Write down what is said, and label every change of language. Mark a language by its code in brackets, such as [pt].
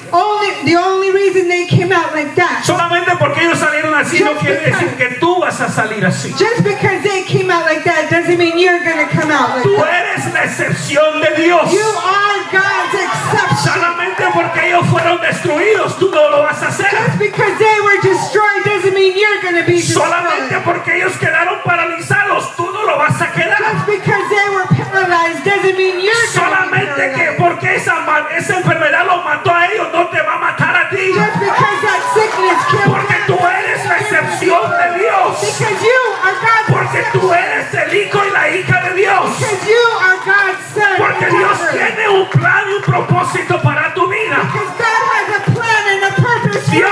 [en] Only, the only reason they came out like that. [es] Solamente porque ellos salieron así no quiere decir que tú vas a salir así. [en] Just because they came out like that doesn't mean you're going to come out like that. [es] Tú eres la excepción de Dios. [en] You are God's exception. [es] Solamente porque ellos fueron destruidos tú no lo vas a hacer. [en] Just because they were destroyed doesn't mean you're going to be destroyed. [es] Solamente porque ellos quedaron paralizados tú no lo vas a quedar. [en] Just because they were paralyzed doesn't mean you're going to be paralyzed. [es] Solamente que porque esa enfermedad lo mató a ellos no te va a matar a ti. [en] Just because that sickness killed you. [es] Porque tú eres la excepción de Dios. [en] Because you are God's. [es] Porque tú eres el hijo y la hija de Dios. [en] Because you are God's son. [es] Porque Dios tiene un plan y un propósito para tu vida. [en] Because God has a plan and a purpose.